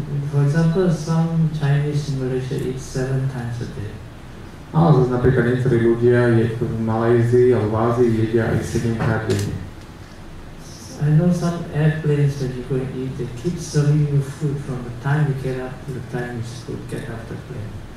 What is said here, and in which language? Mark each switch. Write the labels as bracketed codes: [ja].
[en] For example, some Chinese in Malaysia eat 7 times a day. [sk] Ale zase napríklad niektorí ľudia v Malajzii alebo v Ázii jedia aj 7 krát denne. [en] I know some airplanes when you go and eat, they keep serving you food from the time you get up to the time you get off the plane.